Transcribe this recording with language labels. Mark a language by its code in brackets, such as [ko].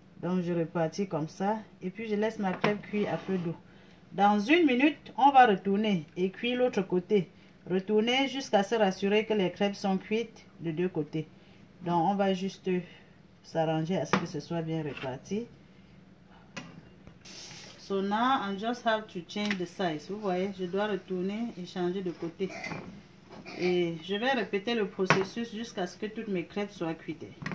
[fr] Donc, je répartis comme ça. Et puis, je laisse ma crêpe cuire à feu doux. Dans une minute, on va retourner et cuire l'autre côté. Retourner jusqu'à se rassurer que les crêpes sont cuites de deux côtés. Donc, on va juste s'arranger à ce que ce soit bien réparti. [en] So now I just have to change the size. [fr] Vous voyez, je dois retourner et changer de côté. Et je vais répéter le processus jusqu'à ce que toutes mes crêpes soient cuites.